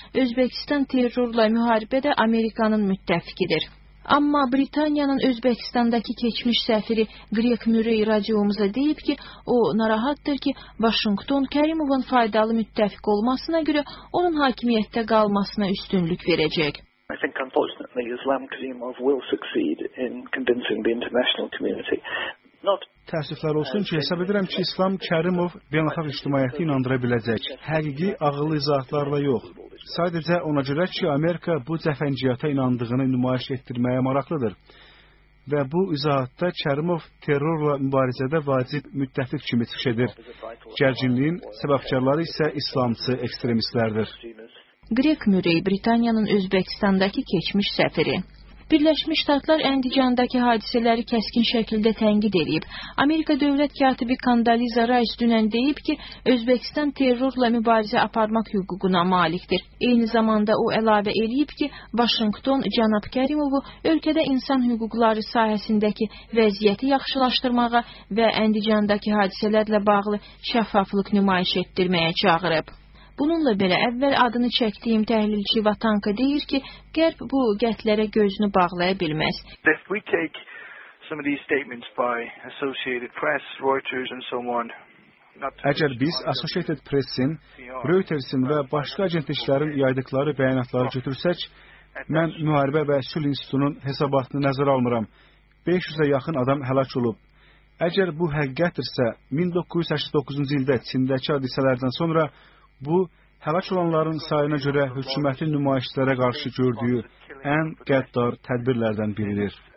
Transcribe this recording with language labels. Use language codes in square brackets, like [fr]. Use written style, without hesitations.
[az] Özbəkistan terrorla müharibədə Amerikanın müttəfiqidir. Amma Britaniyanın Özbəkistandakı keçmiş səfiri Greg Murray radiomuza deyib ki, o narahatdır ki, Vaşinqton Kərimovun faydalı müttəfiq olmasına görə onun hakimiyyətdə qalmasına üstünlük verəcək. [en] I think unfortunately Islam Karimov will succeed in convincing the international community. [az] Təəssüflər olsun ki, hesab edirəm ki, İslam Kərimov beynəlxalq ictimaiyyəti inandıra biləcək. Həqiqi ağıllı izahatlarla yox. Sadəcə ona görə ki, Amerika bu cəfəngiyyata inandığını nümayiş etdirməyə maraqlıdır. Və bu izahatda Kərimov terrorla mübarizədə vacib müttəfiq kimi çıxış edir. Gərginliyin səbəbkarları isə İslamçı ekstremistlərdir. Greg Murray, Britaniyanın Özbekistandakı keçmiş səfiri. Birleşmiş Ştatlar Əndicandakı hadisələri kəskin şəkildə tənqid edib. Amerika Dövlət Katibi Condoleezza Rice dünən deyib ki, Özbekistan terrorla mübarizə aparmaq hüququna malikdir. Eyni zamanda o əlavə edib ki, Vaşinqton Cənab Kərimovu ölkədə insan hüquqları sahəsindəki vəziyyəti yaxşılaşdırmağa və Əndicandakı hadisələrlə bağlı şəffaflıq nümayiş etdirməyə çağırıb. Bununla belə əvvəl adını çəkdiyim təhlilçi Vatanka deyir ki, Qərb bu qətlərə gözünü bağlaya bilməz. [en] If we take some of these statements by Associated Press, Reuters and so on. [az] Əgər biz Associated Press-in, Reuters-in və başqa agentliklərin yaydıqları bəyanatları götürsək, mən müharibə və sülh institutunun hesabatını nəzərə almıram. 500-ə yaxın adam həlak olub. Əgər bu həqiqətdirsə, 1989-cu ildə Çindəki hadisələrdən sonra bu, həlak olanların sayına görə hökuməti nümayişlərə qarşı gördüyü ən qəddar tədbirlərdən biridir.